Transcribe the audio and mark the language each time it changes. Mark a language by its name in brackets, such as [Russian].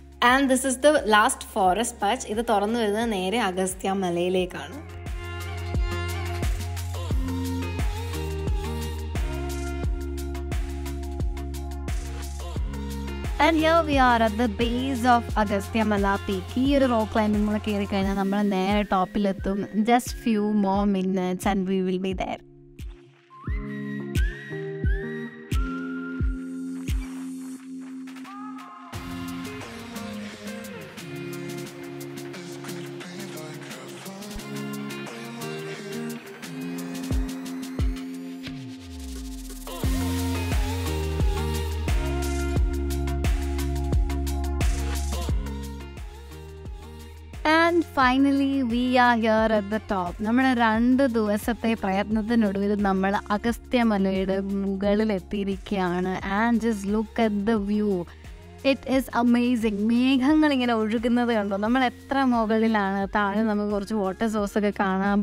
[English] And this is the last forest patch. [Malayalam] ഇത് തുറന്നു വരുന്നത് നേരെ അഗസ്ത്യമലയിലേക്കാണ്. [English] And here we are at the base of Agasthyamala peak. [Malayalam] ഈ ഒരു റോക്ക് ക്ലൈമ്പിംഗ് കൂടെ കയറി കഴിഞ്ഞാൽ നമ്മൾ നേരെ ടോപ്പിലെത്തും. [English] Just few more minutes and we will be there. Finally, we are here at the top. [Malayalam] നമ്മുടെ രണ്ട് ദിവസത്തെ പ്രയത്നത്തിനൊടുവിൽ നമ്മൾ അഗസ്ത്യമലയുടെ മുകളിൽ എത്തിയിരിക്കുകയാണ്. [English] And just look at the view, it is amazing. [Malayalam] മേഘങ്ങൾ ഇങ്ങനെ ഒഴുകുന്നത് കണ്ടോ, നമ്മൾ എത്ര മുകളിലാണ്, താഴെ നമുക്ക് കുറച്ച് വാട്ടർ സോഴ്സ് ഒക്കെ കാണാം.